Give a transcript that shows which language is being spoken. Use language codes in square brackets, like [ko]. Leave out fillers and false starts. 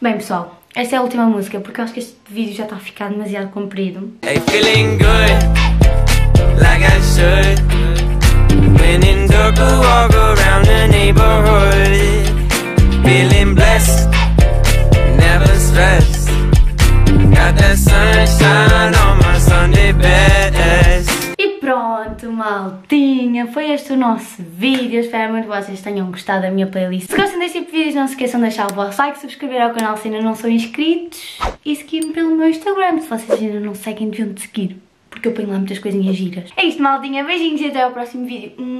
[pt] Bem, pessoal, essa é a última música, porque eu acho que este vídeo já está a ficar demasiado comprido. [en] Hey, feeling good, like I should. When in Durga walk around the neighborhood, feeling blessed, never stressed. Got that sunshine on my Sunday best. [pt] E pronto, maltinha, foi este o nosso vídeo. Espero muito que vocês tenham gostado da minha playlist. Se gostam deste tipo de vídeos, não se esqueçam de deixar o vosso like, subscrever ao canal se ainda não são inscritos. E seguir-me pelo meu Instagram, se vocês ainda não seguem, deviam de seguir. Porque eu ponho lá muitas coisinhas giras. É isto, maldinha. Beijinhos e até ao próximo vídeo.